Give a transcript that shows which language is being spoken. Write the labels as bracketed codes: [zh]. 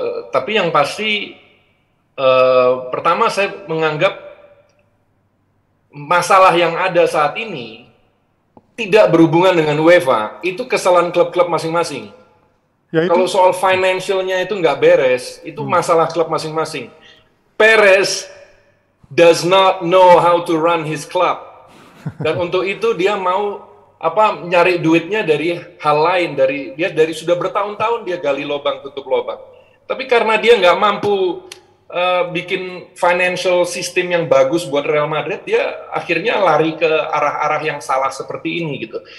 [id] Tapi yang pasti pertama saya menganggap masalah yang ada saat ini tidak berhubungan dengan UEFA, itu kesalahan klub-klub masing-masing. Ya, itu. Kalau soal financialnya itu nggak beres, itu masalah klub masing-masing. [en] Perez does not know how to run his club. [id] Dan untuk itu dia mau apa nyari duitnya dari hal lain, dari dia dari sudah bertahun-tahun dia gali lubang tutup lubang. Tapi karena dia nggak mampu bikin financial system yang bagus buat Real Madrid, dia akhirnya lari ke arah-arah yang salah seperti ini gitu.